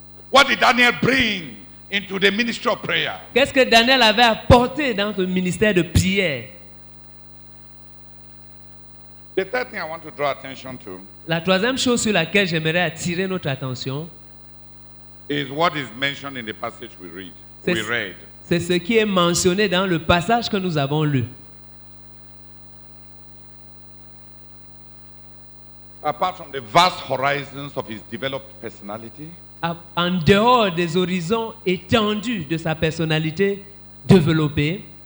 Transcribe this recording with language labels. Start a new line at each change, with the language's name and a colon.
English: What did Daniel bring into the ministry of prayer?
French: Qu'est-ce que Daniel avait apporté dans le ministère de prière?
English: The third thing I want to draw attention to.
French: La troisième chose sur laquelle j'aimerais attirer notre attention
English: is what is mentioned in the passage we read.
French: C'est ce qui est mentionné dans le passage que nous avons lu.
English: Apart from the vast horizons of his developed personality.
French: En dehors des horizons étendus de sa personnalité développée,